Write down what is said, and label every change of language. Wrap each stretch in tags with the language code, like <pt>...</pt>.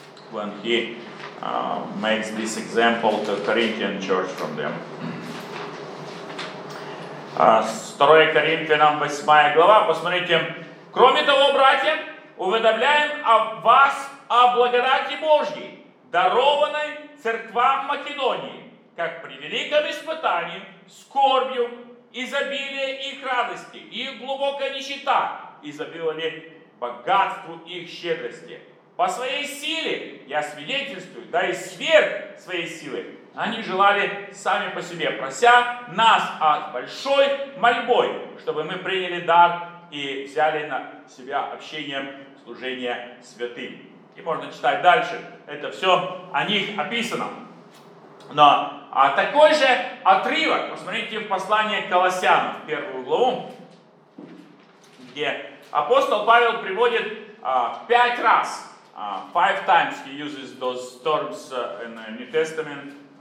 <en>When he makes this example to Corinthian church from them.</en> <ru>2 Коринфянам, 8 глава, посмотрите. Кроме того, братья, уведомляем о вас о благодати Божьей, дарованной церквам Македонии, как при великом испытании, скорбью, изобилие их радости, их глубокая нищета, изобилие богатству их щедрости. По своей силе, я свидетельствую, да и сверх своей силы, они желали сами по себе, прося нас от большой мольбой, чтобы мы приняли дар и взяли на себя общение, служение святым. И можно читать дальше. Это все о них описано. Но такой же отрывок, посмотрите в послании к Колоссянам, в 1 главу, где апостол Павел приводит 5 раз.</ru> <en>Five times he uses those terms in the New Testament.</en>